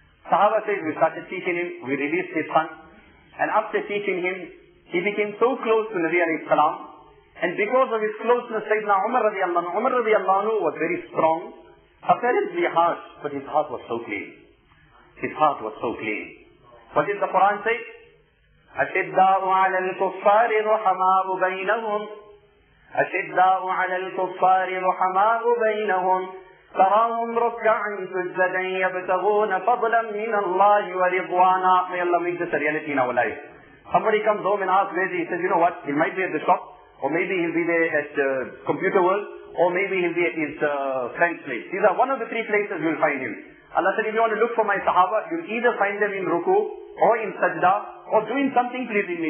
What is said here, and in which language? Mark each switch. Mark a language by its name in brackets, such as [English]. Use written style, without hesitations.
[English] Sahaba says, we started teaching him, we released his son. And after teaching him, he became so close to Nabi alayhi salam. And because of his closeness, Sayyidina Umar radiallahu was very strong, apparently harsh, but his heart was so clean. His heart was so clean. What did the Quran say? [Arabic] أَشِدَّاءُ عَلَى الْكُفَّارِ رُحَمَاءُ بَيْنَهُمْ أَشِدَّاءُ عَلَى الْكُفَّارِ رُحَمَاءُ بَيْنَهُمْ فَرَاهُمْ رُكَّعٍ سُجَّدًا يَبْتَغُونَ فَضْلًا مِنَ اللَّهِ وَرِضْوَانًا [English] May Allah make this a reality in our life. Somebody comes home and asks maybe, he says, you know what, he might be at the shop, or maybe he'll be there at Computer World, or maybe he'll be at his friend's place. These are one of the three places you'll find him. Allah said, if you want to look for my Sahaba, you'll either find them in Ruku, or in Sajda, or doing something pleasing me.